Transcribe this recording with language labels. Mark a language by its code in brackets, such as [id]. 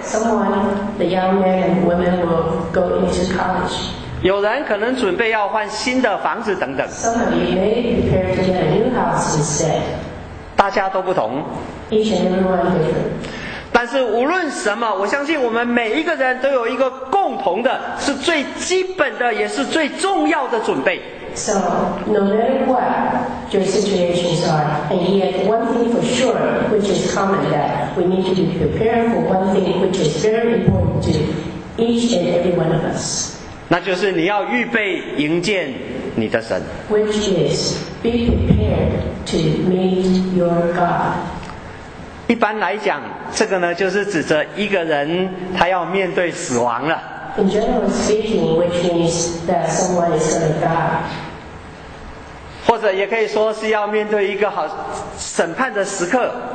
[en] Someone, the young men and women will go into college. [zh] 有人可能准备要换新的房子等等。 [en] Some of you may prepare to get a new house instead. [zh] 大家都不同。 [en] Each and everyone different. [zh] 但是无论什么，我相信我们每一个人都有一个共同的，是最基本的也是最重要的准备。 [en] So no matter what your situations are, and yet one thing for sure which is common, that we need to be prepared for one thing which is very important to each and every one of us, [zh] 那就是你要预备迎接你的神， [en] which is be prepared to meet your God. [zh] 一般来讲，这个呢就是指着一个人他要面对死亡了。 [en] In general speaking, which means that someone is going to die. [zh] 或者也可以说是要面对一个好审判的时刻。